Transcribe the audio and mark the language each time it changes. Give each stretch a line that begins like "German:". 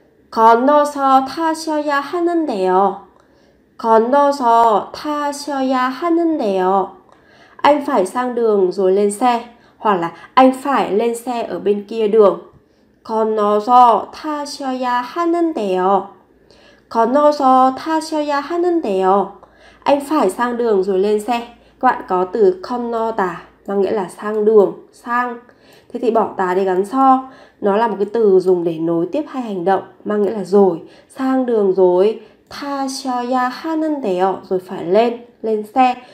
Korean: 건너서 타셔야 하는데요. 건너서 타셔야 하는데요.
Vietnamese: Anh phải sang đường rồi lên xe. Hoặc là anh phải lên xe ở bên kia đường.
Korean: 건너서 타셔야 하는데요. 건너서 타셔야 하는데요.
Vietnamese: Anh phải sang đường rồi lên xe. Các bạn có từ 건너다 mà nghĩa là sang đường, sang. Thế thì bỏ tà để gắn so. Nó là một cái từ dùng để nối tiếp hai hành động, mang nghĩa là rồi, sang đường rồi.
Korean: 타셔야 하는데요,
Vietnamese: rồi phải lên, lên xe.